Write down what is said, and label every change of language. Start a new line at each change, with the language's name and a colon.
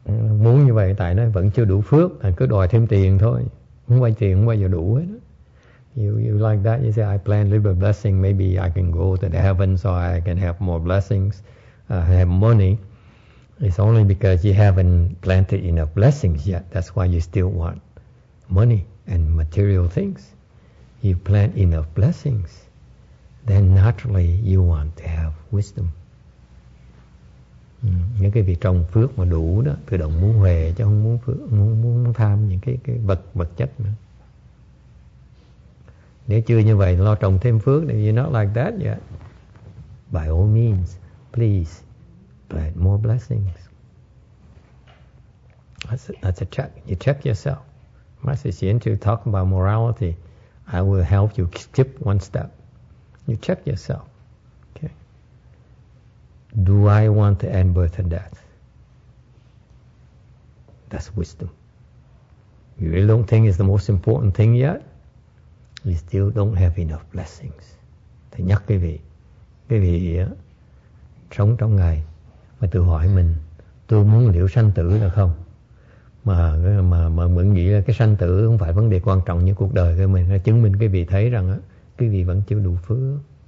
Vietnamese: Muốn như vậy tại nó vẫn chưa đủ phước, cứ đòi thêm tiền thôi. Không bao giờ tiền, không bao giờ đủ hết.
English: You like that, you say, I plan a little bit of blessing, maybe I can go to the heaven so I can have more blessings, have money. It's only because you haven't planted enough blessings yet. That's why you still want money and material things. You plant enough blessings, then naturally you want to have wisdom.
Vietnamese: Những cái việc trồng phước mà đủ đó, tự động muốn huệ chứ không muốn phước, muốn tham những cái vật chất nữa. Nếu chưa như vậy lo trồng thêm phước thì
English: you're not like that yet. By all means, please plant more blessings. That's a check. You check yourself. Master Xian to talk about morality. I will help you skip one step. You check yourself. Okay. Do I want to end birth and death? That's wisdom. You really don't think it's the most important thing yet? You still don't have enough blessings.
Vietnamese: Thầy nhắc quý vị sống trong ngày mà tự hỏi mình, tôi muốn liệu sanh tử là không? Mà mình nghĩ là cái sanh tử không phải vấn đề quan trọng như cuộc đời của mình, chứng minh quý vị thấy rằng quý vị vẫn chưa đủ phước.